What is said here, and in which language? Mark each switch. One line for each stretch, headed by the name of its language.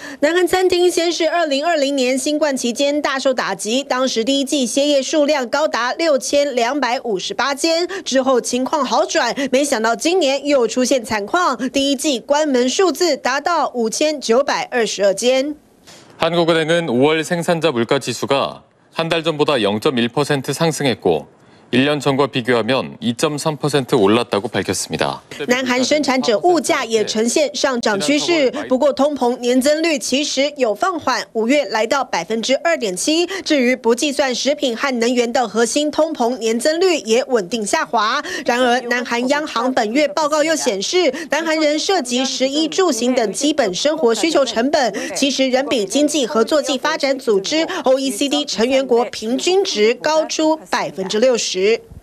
Chinese: 南韩餐厅先是2020年新冠期间大受打击，当时第一季歇业数量高达6258间，之后情况好转，没想到今年又出现惨况，第一季关门数字达到5922间。
Korean: 한국은행은5월생산자물가지수가한달전보다 0.1% 상승했고1년전과비교하면 2.3% 올랐다고밝혔습니다
Chinese: 南韩生产者物价也呈现上涨趋势，不过通膨年增率其实有放缓，5月来到 2.7%， 至于不计算食品和能源的核心通膨年增率也稳定下滑。然而南韩央行本月报告又显示，南韩人涉及食衣住行等基本生活需求成本其实仍比经济合作暨发展组织 OECD 成员国平均值高出 60%。